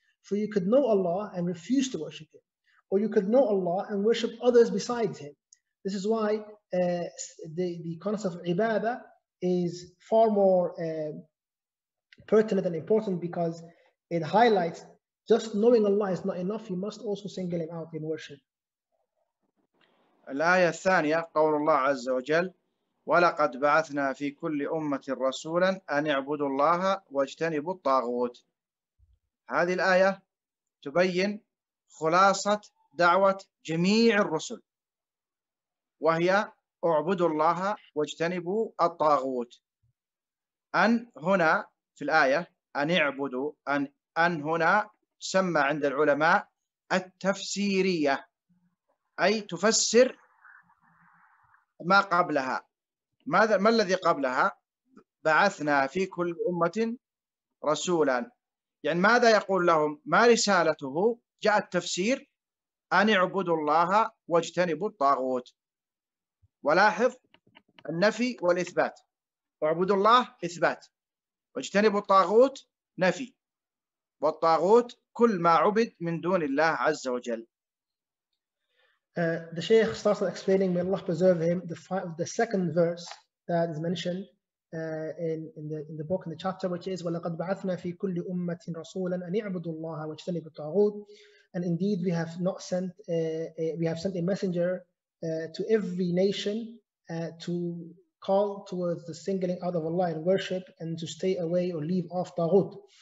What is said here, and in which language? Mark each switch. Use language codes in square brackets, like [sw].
[en] For you could know Allah and refuse to worship Him. Or you could know Allah and worship others besides Him. This is why the concept of ibadah is far more pertinent and important, because it highlights just knowing Allah is not enough. You must also single Him out in worship. [ar] الآية الثانية قول الله عز وجل: وَلَقَدْ بَعَثْنَا فِي كُلِّ أُمَّةٍ رَسُولًا أَنْ يَعْبُدُوا اللَّهَ وَاجْتَنِبُوا الطَّاغُوتِ. هذه الآية تبين خلاصة دعوة جميع الرسل، وهي اعبدوا الله واجتنبوا الطاغوت. أن هنا في الآية أن يعبدوا أن هنا سمى عند العلماء التفسيرية، أي تفسر ما قبلها. ماذا ما الذي قبلها؟ بعثنا في كل أمة رسولا، يعني ماذا يقول لهم؟ ما رسالته؟ جاء التفسير أن اعبدوا الله واجتنبوا الطاغوت. ولاحظ النفي والإثبات، اعبدوا الله إثبات، واجتنبوا الطاغوت نفي، والطاغوت كل ما عبد من دون الله عز وجل. [en] The Shaykh starts explaining, may Allah preserve him, the second verse that is mentioned in the book, in the chapter, which is [ar] وَلَقَدْ بَعَثْنَا فِي كُلِّ أُمَّةٍ رَسُولًا أَنْ اعْبُدُوا اللَّهَ وَاجْتَنِبُوا الطَّاغُوتَ. [en] And indeed we have not sent we have sent a messenger to every nation to call towards the singling out of Allah in worship and to stay away or leave off طاغوت.